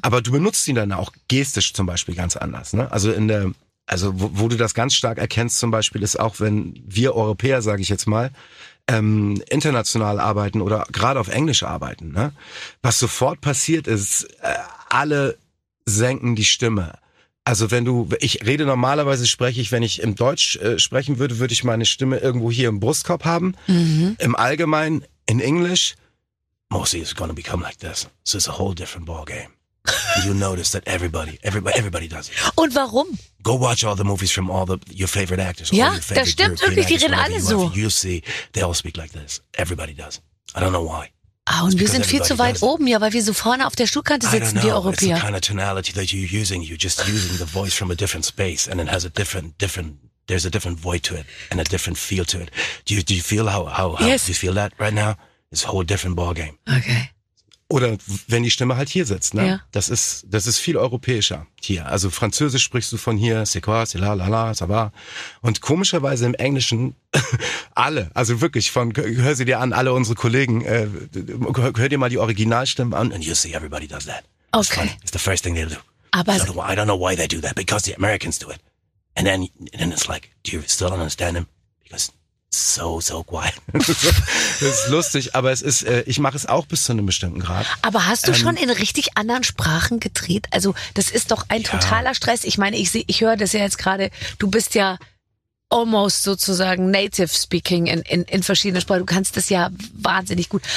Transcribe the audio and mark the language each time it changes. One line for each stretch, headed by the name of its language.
German: Aber du benutzt ihn dann auch gestisch zum Beispiel ganz anders. Ne? Also in der, also wo du das ganz stark erkennst zum Beispiel, ist auch, wenn wir Europäer, sage ich jetzt mal, international arbeiten oder gerade auf Englisch arbeiten. Ne? Was sofort passiert ist, alle senken die Stimme. Also wenn du, ich rede normalerweise, wenn ich im Deutsch sprechen würde, würde ich meine Stimme irgendwo hier im Brustkorb haben. Mhm. Im Allgemeinen,
English: in English, mostly it's gonna become like this. So it's a whole different ballgame. You notice that everybody does it.
German: Und warum?
English: Go watch all the movies from all the your favorite actors.
German: Ja,
English: all your favorite,
German: das stimmt wirklich, die reden alle so.
English: You see, they all speak like this. Everybody does. I don't know why.
German: Ah, und wir sind viel zu weit oben, ja, weil wir so vorne auf der Stuhlkante sitzen, wir Europäer.
English: It's the kind of tonality that you're using. You're just using the voice from a different space and it has a different, there's a different void to it and a different feel to it. Do you feel how yes. Do you feel that right now? It's a whole different ballgame. Okay.
German: Oder wenn die Stimme halt hier sitzt, ne? Ja. Das ist viel europäischer hier. Also Französisch sprichst du von hier,
French: c'est quoi, c'est la la la, ça va.
German: Und komischerweise im Englischen, alle, also wirklich von, hör sie dir an, alle unsere Kollegen, hör dir mal die Originalstimmen an. And you see, everybody does that. Okay. It's the first thing they do. Aber
English: I don't know why they do that, because the Americans do it. And then it's like, do you still understand them? Because so quiet.
German: Das ist lustig, aber es ist, ich mache es auch bis zu einem bestimmten Grad. Aber hast du schon in richtig anderen Sprachen gedreht? Also das ist doch ein totaler Stress. Ich meine, ich höre das ja jetzt gerade, du bist ja almost sozusagen
English: native speaking
German: in verschiedenen Sprachen. Du kannst das ja wahnsinnig gut.